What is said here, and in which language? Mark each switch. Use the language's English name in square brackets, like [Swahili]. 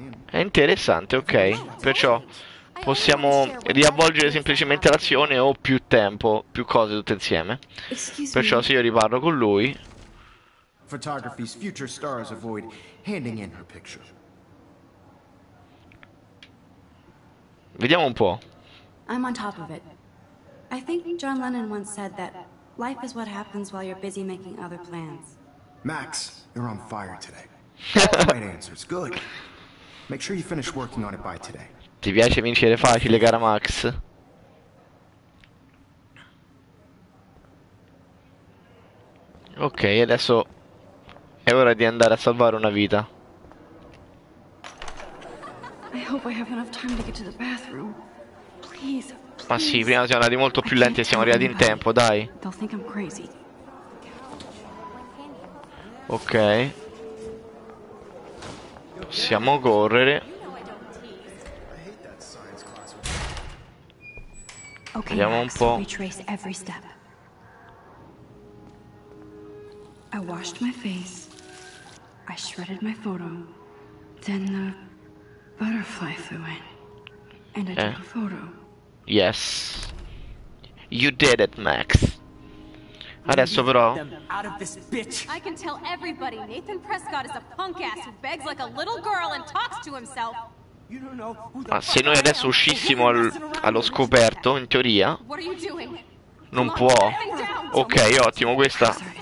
[Italian] È interessante, ok. Perciò possiamo riavvolgere semplicemente l'azione o più tempo, più cose tutte insieme. Perciò se io riparlo con lui. [English] Photography's future stars avoid handing in her picture. [Italian] Vediamo un po'. [English] I'm on top of it. I think John Lennon once said that life is what happens while you're busy making other plans. Max, you're on fire today. Right answers, good. Make sure you finish working on it by today. [Italian] Ti piace vincere facile, cara Max? Ok, adesso è ora di andare a salvare una vita. [English] I hope I have enough time to get to the bathroom. Please. [Italian] Ma sì, prima siamo andati molto più lenti e siamo arrivati in tempo, dai. [English] They'll think I'm crazy. Ok. [Italian] Possiamo correre. Okay, vediamo un po'. [English] Retrace every step. I washed my face. I shredded my photo. Then the butterfly flew in. And I took a photo. Yes. You did it, Max. [Italian] Adesso però. [English] I can tell everybody Nathan Prescott is a punk ass who begs like a little girl and talks to himself. [Italian] Ma se noi adesso uscissimo allo scoperto, in teoria. Non può. Ok, ottimo, questa.